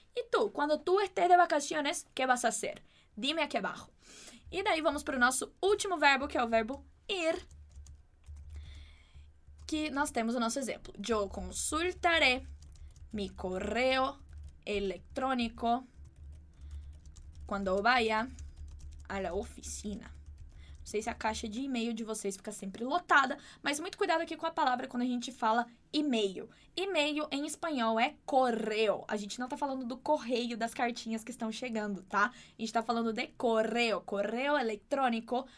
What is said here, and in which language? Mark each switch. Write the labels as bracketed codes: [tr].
[es] E tu, quando tu estés de vacaciones, ¿qué vas a hacer? [pt] Dime aqui abaixo. E daí vamos para o nosso último verbo, que é o verbo ir. Que nós temos o nosso exemplo. [es] Yo consultaré mi correo electrónico cuando vaya a la oficina. [pt] Não sei se a caixa de e-mail de vocês fica sempre lotada, mas muito cuidado aqui com a palavra quando a gente fala e-mail. E-mail em espanhol é correo. A gente não tá falando do correio das cartinhas que estão chegando, tá? A gente tá falando de correo. Correo eletrônico.